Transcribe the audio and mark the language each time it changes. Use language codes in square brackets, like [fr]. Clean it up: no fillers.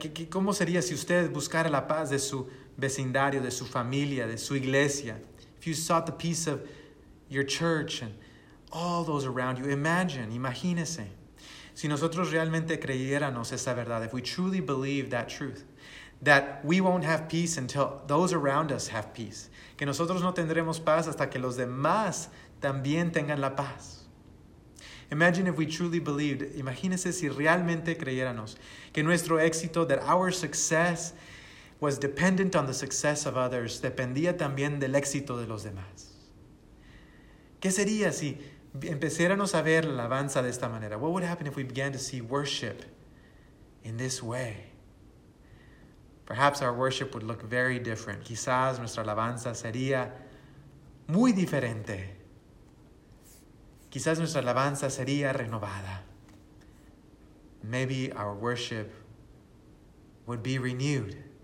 [es] ¿Cómo sería si usted buscara la paz de su vecindario, de su familia, de su iglesia? [en] If you sought the peace of your church and all those around you, [es] imagínese. Si nosotros realmente creyéramos esa verdad, [en] if we truly believe that truth, that we won't have peace until those around us have peace, [es] que nosotros no tendremos paz hasta que los demás también tengan la paz. [en] Imagine if we truly believed, [es] imagínese si realmente creyéramos que nuestro éxito, [en] that our success was dependent on the success of others, [es] dependía también del éxito de los demás. ¿Qué sería si empezáramos a ver la alabanza de esta manera? [en] What would happen if we began to see worship in this way? Perhaps our worship would look very different. [es] Quizás nuestra alabanza sería muy diferente. Quizás nuestra alabanza sería renovada. [en] Maybe our worship would be renewed.